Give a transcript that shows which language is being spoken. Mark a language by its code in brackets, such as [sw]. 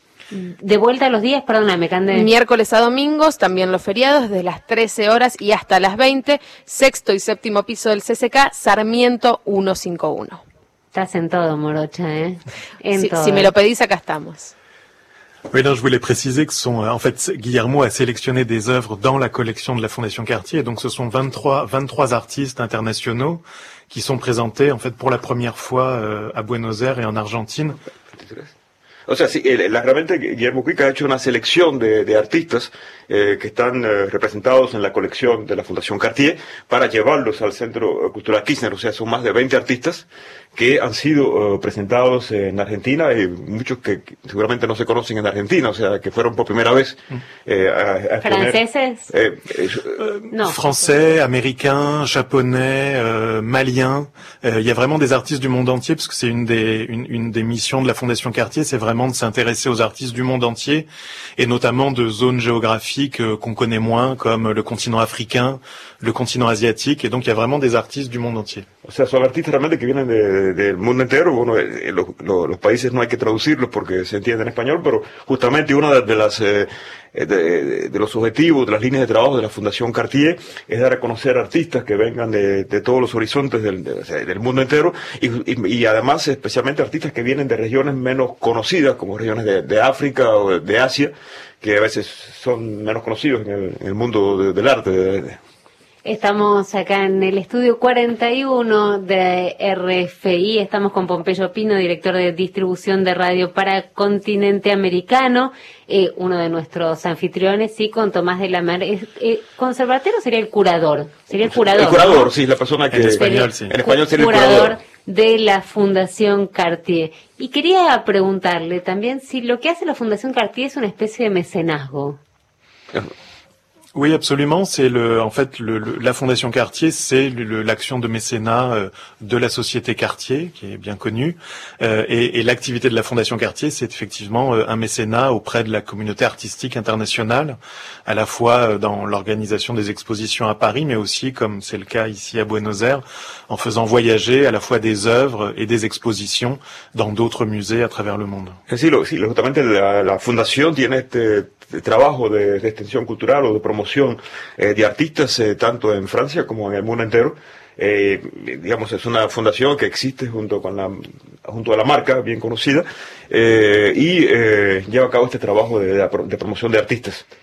[es] De vuelta a los días, perdóname, Cande. Miércoles a domingos, también los feriados, desde las 13 horas y hasta las 20, sexto y séptimo piso del CCK, Sarmiento 151. Estás en todo, Morocha, ¿eh? Si me lo pedís, acá estamos. [fr] Oui, non, je voulais préciser que Guillermo a sélectionné des œuvres dans la collection de la Fondation Cartier. Donc, ce sont 23 artistes internationaux qui sont présentés, en fait, pour la première fois, à Buenos Aires et en Argentine. [es] O sea, sí, realmente Guillermo Cuica ha hecho una selección de artistas que están representados en la colección de la Fundación Cartier para llevarlos al Centro Cultural Kirchner. O sea, son más de 20 artistas que han sido presentados en Argentina y muchos que seguramente no se conocen en Argentina, o sea, que fueron por primera vez a exponer. ¿Franceses? No. [fr] Francés, americain, japonais, malien. Il y a vraiment des artistes du monde entier, parce que c'est une des missions de la Fundación Cartier, c'est vraiment de s'intéresser aux artistes du monde entier et notamment de zones géographiques qu'on connaît moins, comme le continent africain, le continent asiatique, et donc il y a vraiment des artistes du monde entier. [es] O sea, son artistas realmente que vienen del mundo entero. Bueno, los países no hay que traducirlos porque se entiende en español, pero justamente una de los objetivos, de las líneas de trabajo de la Fundación Cartier es dar a conocer artistas que vengan de todos los horizontes del mundo entero y además especialmente artistas que vienen de regiones menos conocidas, como regiones de África o de Asia, que a veces son menos conocidos en el mundo del arte. Estamos acá en el estudio 41 de RFI, estamos con Pompeyo Pino, director de distribución de radio para Continente Americano, uno de nuestros anfitriones, y con Tomás de la Mar. ¿Conservatero sería el curador? Sería el curador. El curador, ¿no? Sí, la persona que... En español, sí. En español sería curador. El curador de la Fundación Cartier. Y quería preguntarle también si lo que hace la Fundación Cartier es una especie de mecenazgo. [fr] Oui, absolument. C'est la Fondation Cartier, c'est l'action de mécénat de la société Cartier, qui est bien connue. Et l'activité de la Fondation Cartier, c'est effectivement un mécénat auprès de la communauté artistique internationale, à la fois dans l'organisation des expositions à Paris, mais aussi, comme c'est le cas ici à Buenos Aires, en faisant voyager à la fois des œuvres et des expositions dans d'autres musées à travers le monde. [es] Justement, la Fondation tiene este trabajo de extensión cultural o de promoción de artistas tanto en Francia como en el mundo entero. Digamos, es una fundación que existe junto a la marca, bien conocida, y lleva a cabo este trabajo de promoción de artistas.